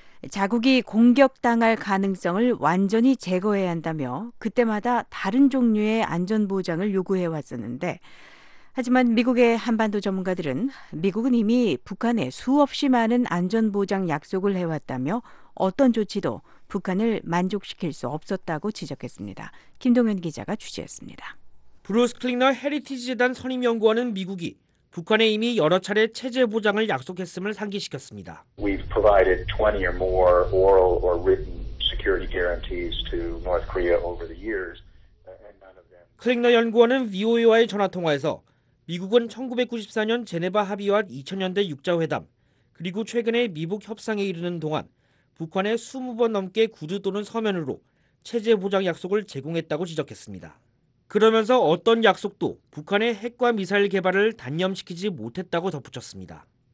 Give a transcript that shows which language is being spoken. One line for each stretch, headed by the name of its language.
Korean: 자국이 공격당할 가능성을 완전히 제거해야 한다며 그때마다 다른 종류의 안전보장을 요구해왔었는데 하지만 미국의 한반도 전문가들은 미국은 이미 북한에 수없이 많은 안전보장 약속을 해왔다며 어떤 조치도 북한을 만족시킬 수 없었다고 지적했습니다. 김동현 기자가 취재했습니다. 브루스 클링너 헤리티지 재단 선임연구원은 미국이 북한에 이미 여러 차례 체제 보장을 약속했음을 상기시켰습니다.
English: We've provided 20 or more oral or written security guarantees to North Korea over the years, and none of them.
Korean: 클링너 연구원은 VOA와의 전화 통화에서 미국은 1994년 제네바 합의와 2000년대 6자 회담 그리고 최근의 미북 협상에 이르는 동안 북한에 20번 넘게 구두 또는 서면으로 체제 보장 약속을 제공했다고 지적했습니다. 그러면서 어떤 약속도 북한의 핵과 미사일 개발을 단념시키지 못했다고 덧붙였습니다.